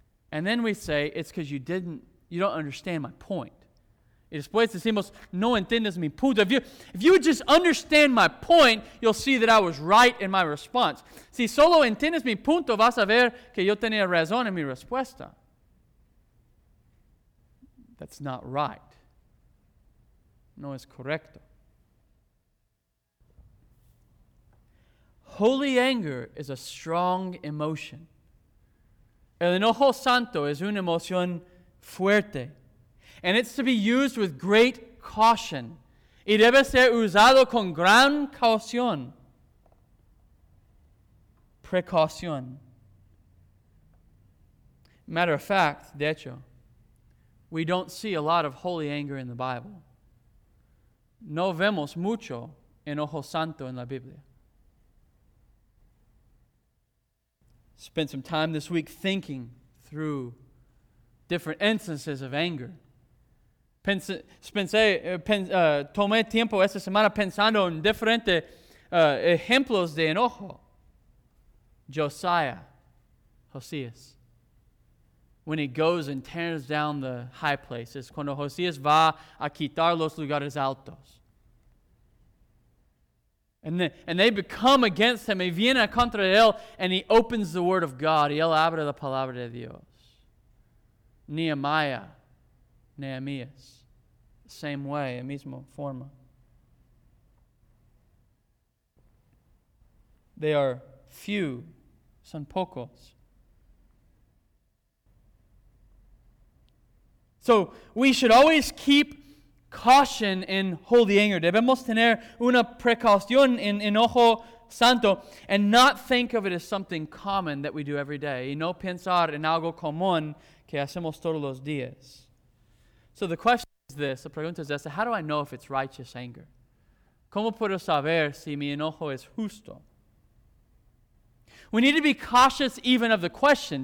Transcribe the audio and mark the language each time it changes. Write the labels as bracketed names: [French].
[English] And then we say, it's because you don't understand my point. [Spanish] Y después decimos, no entiendes mi punto. [English] If you would just understand my point, you'll see that I was right in my response. [Spanish] Si solo entiendes mi punto, vas a ver que yo tenía razón en mi respuesta. [English] That's not right. [Spanish] No es correcto. [English] Holy anger is a strong emotion. [Spanish] El enojo santo es una emoción fuerte. [English] And it's to be used with great caution. [Spanish] Y debe ser usado con gran caución. Precaución. [English] Matter of fact, [Spanish] de hecho, [English] we don't see a lot of holy anger in the Bible. [Spanish] No vemos mucho enojo santo en la Biblia. [English] Spent some time this week thinking through different instances of anger. [Spanish] Tomé tiempo esta semana pensando en diferentes ejemplos de enojo. Josías. [English] When he goes and tears down the high places. [Spanish] Cuando Josías va a quitar los lugares altos. [English] And they become against him. [Spanish] Y viene contra él. [English] And he opens the word of God. [Spanish] Y él abre la palabra de Dios. Nehemías. [English] Same way, [Spanish] la misma forma. [English] They are few, [Spanish] son pocos. [English] So we should always keep caution in holy anger. [Spanish] Debemos tener una precaución en enojo santo [English] and not think of it as something common that we do every day. [Spanish] Y no pensar en algo común que hacemos todos los días. [English] So the question. This, the [Spanish] pregunta es, [English] how do I know if it's righteous anger? [Spanish] ¿Cómo puedo saber si mi enojo es justo? [English] We need to be cautious even of the question.